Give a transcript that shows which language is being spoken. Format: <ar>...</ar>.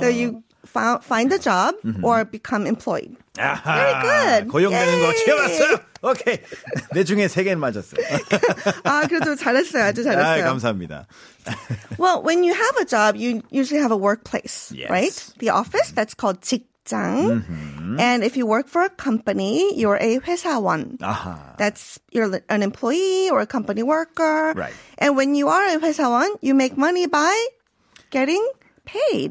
<en>So you find a job or become employed. 아하, Very good.</en> <ko>고용되는 거 취업했어요.</ko> <en>오케이.</en> <ko>내 중에 세 개는 맞았어요. 아, 그래도 잘했어요. 아주 잘했어요. 아, 감사합니다.</ko> <en>Well, when you have a job, you usually have a workplace, yes. right? The office, that's called 직장. And if you work for a company, you're a 회사원. You're an employee or a company worker. Right. And when you are a 회사원, you make money by getting paid.</en>